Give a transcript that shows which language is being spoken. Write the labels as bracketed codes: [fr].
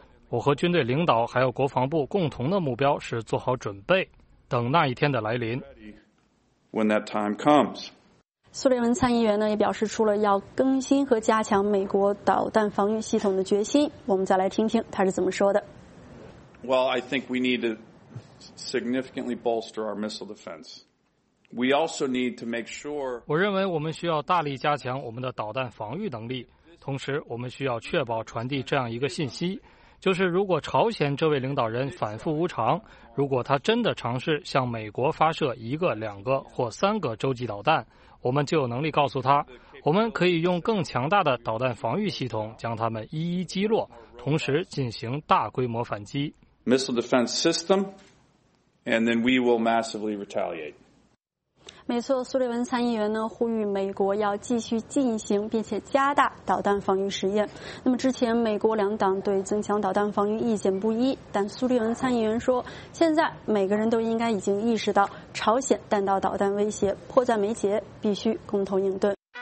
[zh] 我和军队领导还有国防部共同的目标是做好准备，等那一天的来临。 [en] When that time comes。 [zh] 苏利文参议员呢也表示出了要更新和加强美国导弹防御系统的决心，我们再来听听他是怎么说的。 [en] Well, I think we need to significantly bolster our missile defense. We also need to make sure. [zh] 我认为我们需要大力加强我们的导弹防御能力，同时我们需要确保传递这样一个信息，就是如果朝鲜这位领导人反复无常，如果他真的尝试向美国发射一个、两个或三个洲际导弹，我们就有能力告诉他，我们可以用更强大的导弹防御系统将他们一一击落，同时进行大规模反击。 [en] Missile defense system, and then we will massively retaliate. [zh] 没错，苏利文参议员呢呼吁美国要继续进行并且加大导弹防御实验。那么之前美国两党对增强导弹防御意见不一，但苏利文参议员说，现在每个人都应该已经意识到朝鲜弹道导弹威胁迫在眉睫，必须共同应对。